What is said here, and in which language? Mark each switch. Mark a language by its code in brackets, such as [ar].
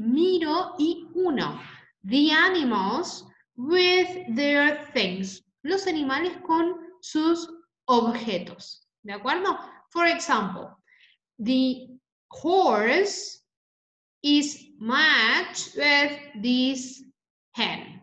[es] Miro y uno. [en] The animals with their things. [es] Los animales con sus objetos. ¿De acuerdo? [en] For example, the horse is matched with this hen.